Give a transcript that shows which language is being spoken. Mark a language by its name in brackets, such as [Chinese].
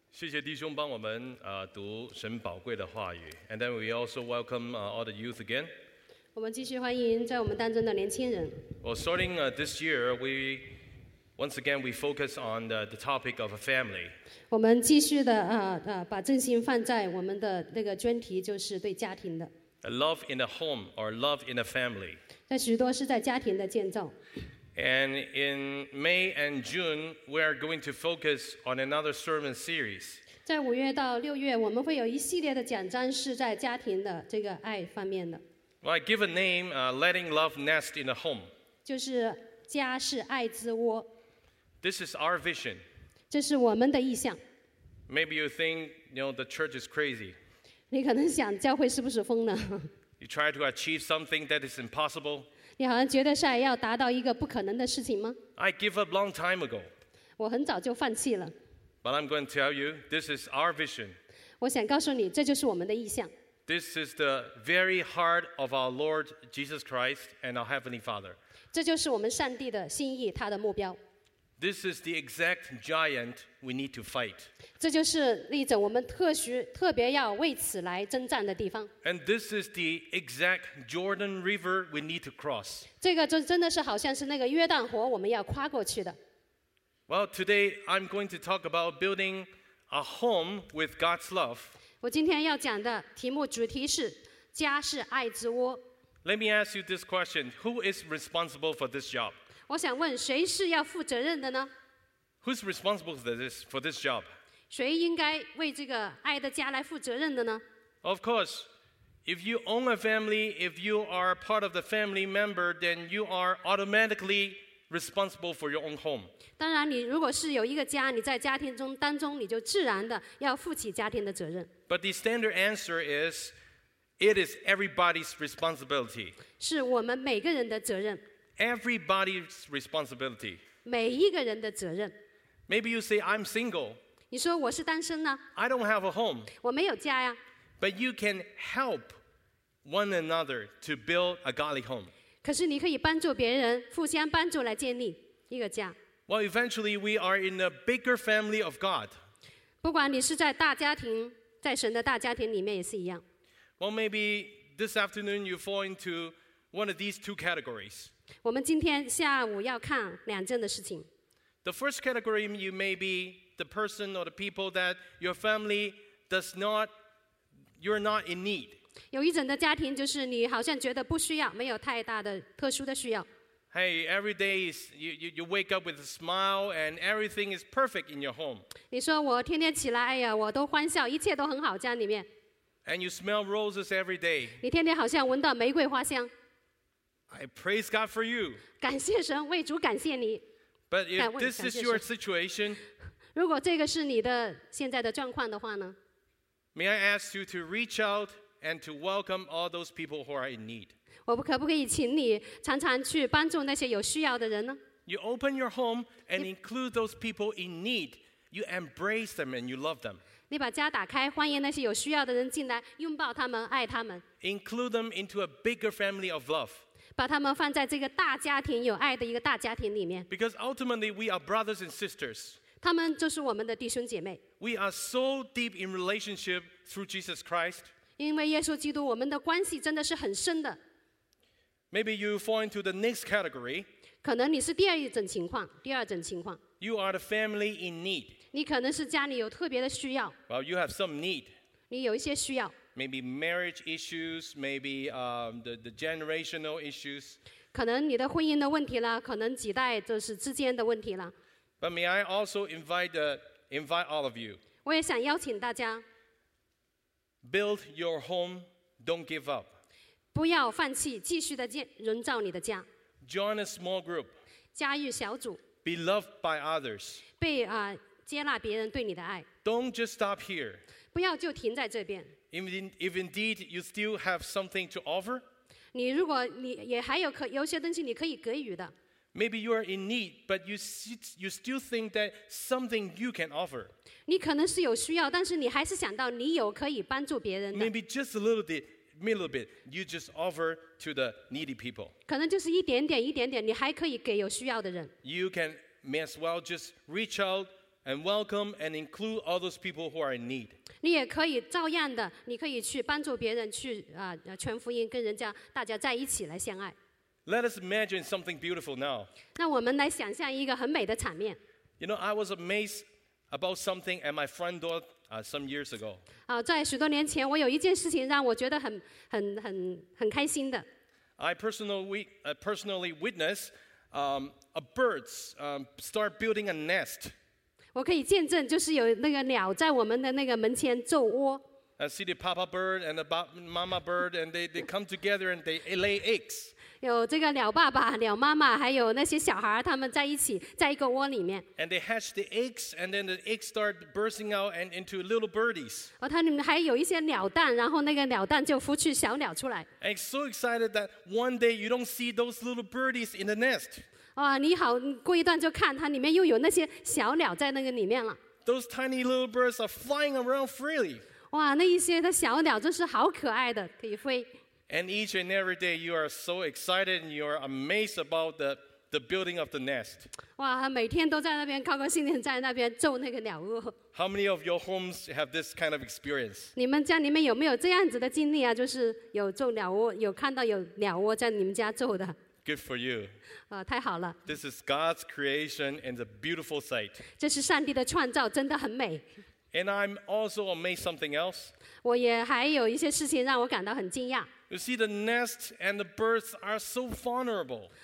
[Chinese] 谢谢弟兄帮我们读神宝贵的话语。 [English] And then we also welcome all the youth again. [Chinese] 我们继续欢迎在我们当中的年轻人。 [English] Well, starting this year, we once again we focus on the topic of a family. [Chinese] 我们继续的把重心放在我们的那个专题，就是对家庭的。 [English] A love in a home or love in a family. [Chinese] 在许多是在家庭的建造。 [English] And in May and June, we are going to focus on another sermon series. [Chinese] 在五月到六月，我们会有一系列的讲章是在家庭的这个爱方面的。 [English] Well, I give a name, letting love nest in a home. [Chinese] 就是家是爱之窝。 [English] This is our vision. [Chinese] 这是我们的意向。 [English] Maybe you think, you know, the church is crazy. [Chinese] 你可能想教会是不是疯了？ [English] You try to achieve something that is impossible. [Chinese] 你好像觉得是要达到一个不可能的事情吗 [English] ？I give up long time ago. [Chinese] 我很早就放弃了。 [English] But I'm going to tell you, this is our vision. [Chinese] 我想告诉你，这就是我们的意向。 [English] This is the very heart of our Lord Jesus Christ and our Heavenly Father. [Chinese] 这就是我们上帝的心意，他的目标。 [English] This is the exact giant we need to fight. [Chinese] 这就是那种我们特别要为此来征战的地方。 [English] And this is the exact Jordan River we need to cross. [Chinese] 这个就真的是好像是那个约旦河我们要跨过去的。 [English] Well, today I'm going to talk about building a home with God's love. [Chinese] 我今天要讲的题目主题是家是爱之窝。 [English] Let me ask you this question: Who is responsible for this job? [Chinese] 我想问谁是要负责任的呢 [English] ？Who's responsible for this job？ [Chinese] 谁应该为这个爱的家来负责任的呢 [English] ？Of course, if you own a family, if you are part of the family member, then you are automatically responsible for your own home. [Chinese] 当然，你如果是有一个家，你在家庭中当中，你就自然的要负起家庭的责任。 [English] But the standard answer is, it is everybody's responsibility. [Chinese] 是我们每个人的责任。 [English] Everybody's responsibility. [Chinese] 每一个人的责任。 [English] Maybe you say I'm single. [Chinese] 你说我是单身呢。 [English] I don't have a home. [Chinese] 我没有家呀。 [English] But you can help one another to build a godly home. [Chinese] 可是你可以帮助别人，互相帮助来建立一个家。 [English] Well, eventually we are in a bigger family of God. [Chinese] 不管你是在大家庭，在神的大家庭里面也是一样。 [English] Well, maybe this afternoon you fall into one of these two categories. [Chinese] 我们今天下午要看两件的事情。 [English] The first category, you may be the person or the people that your family does not, you're not in need. [Chinese] 有一整的家庭就是你好像觉得不需要，没有太大的特殊的需要。 [English] Hey, every day is, you wake up with a smile and everything is perfect in your home. [Chinese] 你说我天天起来，哎呀，我都欢笑，一切都很好，家里面。 [English] And you smell roses every day. [Chinese] 你天天好像闻到玫瑰花香。 [English] I praise God for you. [Chinese] 感谢神，为主感谢你。 [English] But if this is your situation, [Chinese] 如果这个是你的现在的状况的话呢？ [English] May I ask you to reach out and to welcome all those people who are in need? [Chinese] 我可不可以请你常常去帮助那些有需要的人呢？ [English] You open your home and include those people in need. You embrace them and you love them. [Chinese] 你把家打开，欢迎那些有需要的人进来，拥抱他们，爱他们。 [English] Include them into a bigger family of love. [Chinese] 把他们放在这个大家庭有爱的一个大家庭里面 [English] Because ultimately we are brothers and sisters [Chinese] 他们就是我们的弟兄姐妹 [English] We are so deep in relationship through Jesus Christ [Chinese] 因为耶稣基督我们的关系真的是很深的 [English] Maybe you fall into the next category [Chinese] 可能你是第二种情况第二种情况 [English] You are the family in need [Chinese] 你可能是家里有特别的需要 [English] Well you have some need [Chinese] 你有一些需要 [English] Maybe marriage issues, maybe the generational issues. [Chinese] 可能你的婚姻的问题了，可能几代就是之间的问题了。 [English] But may I also invite all of you? [Chinese] 我也想邀请大家。 [English] Build your home, don't give up. [Chinese] 不要放弃，继续的建人造你的家。 [English] Join a small group. [Chinese] 加入小组。 [English] Be loved by others. [Chinese] 被接纳别人对你的爱。 [English] Don't just stop here. [Chinese] 不要就停在这边。 [English] If indeed you still have something to offer, [Chinese] 你如果你也还有可有些东西你可以给予的。 [English] Maybe you are in need, but you still think that something you can offer. [Chinese] 你可能是有需要，但是你还是想到你有可以帮助别人的。 [English] Maybe just a little bit, you just offer to the needy people. [Chinese] 可能就是一点点，你还可以给有需要的人。 [English] You can may as well just reach out and welcome and include all those people who are in need. [Chinese] 你也可以照样的，你可以去帮助别人，去传福音，跟人家大家在一起来相爱。 [English] Let us imagine something beautiful now. [Chinese] 让我们来想象一个很美的场面。 [English] You know, I was amazed about something at my front door some years ago. [Chinese] 在许多年前，我有一件事情让我觉得很开心的。 [English] I personally witnessed a birds start building a nest. [Chinese] 我可以见证，就是有那个鸟在我们的那个门前筑窝。 [English] I see the papa bird and the mama bird, and they come together and they lay eggs. [Chinese] 有这个鸟爸爸、鸟妈妈，还有那些小孩，他们在一起，在一个窝里面。 [English] And they hatch the eggs, and then the eggs start bursting out and into little birdies. [Chinese] 它里面还有一些鸟蛋，然后那个鸟蛋就孵出小鸟出来。 [English] And so excited that one day you don't see those little birdies in the nest. [Chinese] 哇，你好，过一段就看它里面又有那些小鸟在那个里面了。 [English] Those tiny little birds are flying around freely. [Chinese] 哇，那一些的小鸟真是好可爱的，可以飞。 [English] And each and every day, you are so excited and you are amazed about the building of the nest. [Chinese] 哇，每天都在那边高高兴兴在那边做那个鸟窝。 [English] How many of your homes have this kind of experience? [Chinese] 你们家里面有没有这样子的经历啊？就是有做鸟窝，有看到有鸟窝在你们家做的。 [English] Good for you. [Chinese] 太好了。 [English] This is God's creation and a beautiful sight. [Chinese] 这是上帝的创造，真的很美。 [English] And I'm also amazed something else. [Chinese] 我也还有一些事情让我感到很惊讶。 [English] You see, the nest and the birds are so vulnerable.